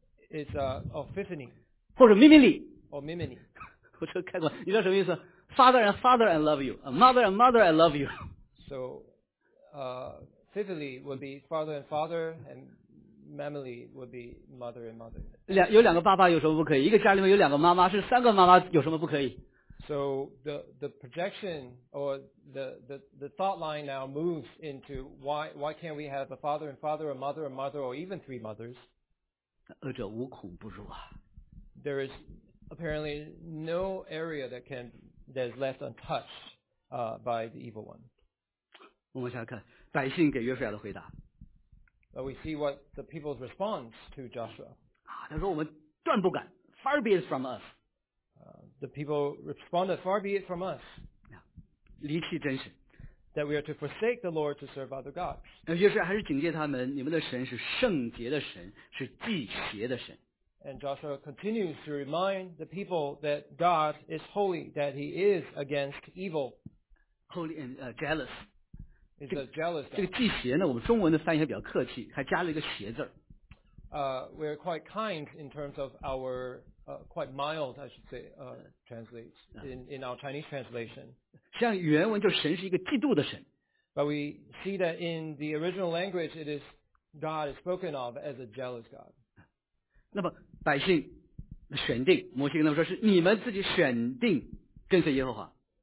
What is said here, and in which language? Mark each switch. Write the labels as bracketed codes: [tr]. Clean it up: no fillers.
[en] It's epiphany。 [zh] 或者 mimini。 [en] Or mimini。 [zh] 我这看过，你知道什么意思 ？ [en] Father, I love you. [zh] Mother, I love you. [en] So, epiphany would be father and father and. Family would be mother and mother. [zh] 有两个爸爸有什么不可以？一个家里面有两个妈妈，是三个妈妈有什么不可以 [en] ？So the projection or the thought line now moves into why can't we have a father and father, a mother, or even three mothers? [zh] 恶者无孔不入啊。 [en] There is apparently no area that is left untouched by the evil one. [zh] 我们想看百姓给约书亚的回答。 [en] But we see what the people's response to Joshua. [zh] 他说我们断不敢 ， [en] far be it from us. The people responded, "Far be it from us." [zh] 离弃真神。 [en] That we are to forsake the Lord to serve other gods. [zh] 约书亚还是警戒他们，你们的神是圣洁的神，是忌邪的神。 [en] And Joshua continues to remind the people that God is holy, that He is against evil. Holy and jealous. Jealous [zh] 这个忌邪呢，我们中文的翻译还比较客气，还加了一个邪字。 [en] We're quite kind in terms of our quite mild, I should say, translates in our Chinese translation. [zh] 像原文就神是一个嫉妒的神。 [en] But we see that in the original language, it is God is spoken of as a jealous God. [zh] 那么百姓选定，摩西跟他们说是你们自己选定跟随耶和华。